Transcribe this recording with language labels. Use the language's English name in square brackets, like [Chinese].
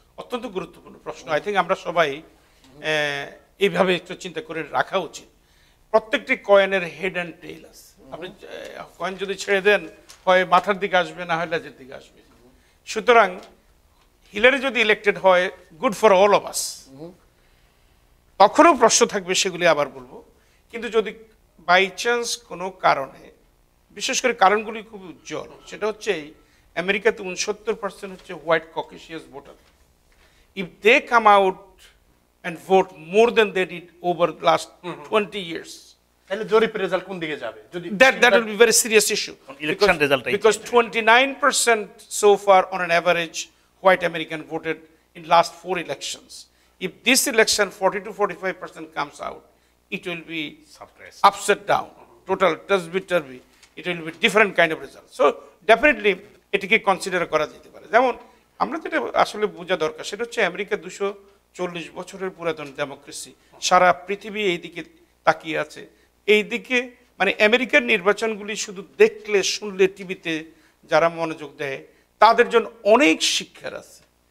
[Bangla] Ottonto guruttopurno prashno, I think amra shobai এইভাবে একটু চিন্তা করে রাখা উচিত। প্রত্যেকটি কয়েনের হেড অ্যান্ড টেইল আছে, আপনি কয়েন যদি ছেড়ে দেন হয় মাথার দিকে আসবে না হয় লেজের দিকে আসবে। সুতরাং হিলারি যদি ইলেকটেড হয় good for all of us, তখনও প্রশ্ন থাকবে সেগুলি আবার বলবো, কিন্তু যদি বাই চান্স কোনো কারণে, বিশেষ করে কারণগুলি খুব উজ্জ্বল, সেটা হচ্ছে এই আমেরিকাতে 69% হচ্ছে white ককেশিয়াস voter, if they come out and vote more than they did over the last 20 years, তাহলে জরিপ রেজাল্ট কোন দিকে যাবে? [English] যদি that will be very serious issue election result, because 29% so far on an average white American voted in last 4 elections. If this election 40-45% comes out, it will be suppressed, upside down, total turvy turvy, it will be different kind of result. [Bangla] So definitely এটাকে consider করা যেতে পারে। যেমন আমরা যেটা আসলে বোঝা দরকার সেটা হচ্ছে আমেরিকা 240 বছরের পুরাতন ডেমোক্রেসি, সারা পৃথিবী এইদিকে তাকিয়ে আছে, এইদিকে মানে আমেরিকার নির্বাচনগুলি শুধু দেখলে শুনলে টিভিতে যারা মনোযোগ দেয় তাদের জন্য অনেক শিক্ষার আছে।